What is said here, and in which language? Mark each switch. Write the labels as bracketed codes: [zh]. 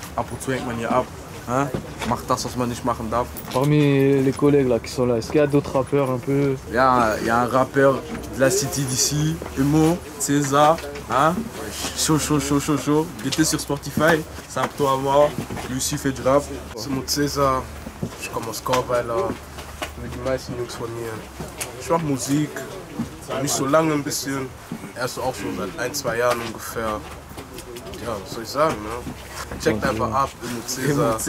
[de] Ab und zu hängt man hier ab. Hein? Macht das, was man nicht machen darf. [fr] Parmi les collègues là, qui sont là, est-ce qu'il y a d'autres rappeurs un peu? Ja, il y a un rappeur de la city d'ici, Emo, César. Hein? Chaud. Il était sur Spotify. C'est un peu à moi. Lui aussi fait du rap. C'est mon César. Je commence quand même là. [de] Mit den meisten Jungs von mir. Ich mache Musik, nicht so lange ein bisschen. Erst auch so seit ein, zwei Jahren ungefähr. Ja, was soll ich sagen, ne? Checkt einfach ab, Emo César.